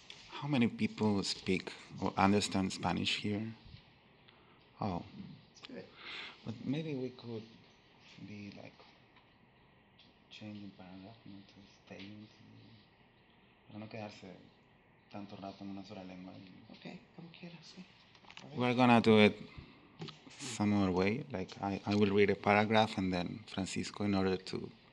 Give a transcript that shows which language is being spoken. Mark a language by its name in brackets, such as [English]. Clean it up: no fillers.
[English] How many people speak or understand Spanish here? Oh. But maybe we could be like changing paragraph, you know, to stay in here. [Spanish] No quedarse tanto rato en una sola lengua. Okay, como quieras, sí. [English] We're gonna do it some other way. Like I will read a paragraph and then Francisco in order to.